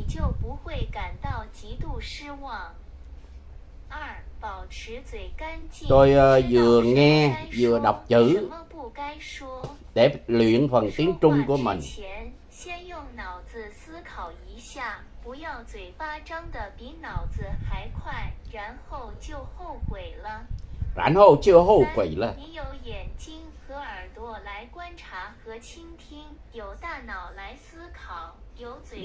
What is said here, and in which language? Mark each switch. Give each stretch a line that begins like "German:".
Chinese: 少一点，以免被生活打扰；一，少一点信任，少一点期望，你就不会感到极度失望。二， 保持嘴干净。
Vietnamese: Tôi vừa nghe vừa đọc chữ để luyện phần tiếng Trung của mình.
Chinese: 先用脑子思考一下，不要嘴巴张得比脑子还快，然后就后悔了。然后就后悔了。你有眼睛和耳朵来观察和倾听，有大脑来思考，有嘴巴。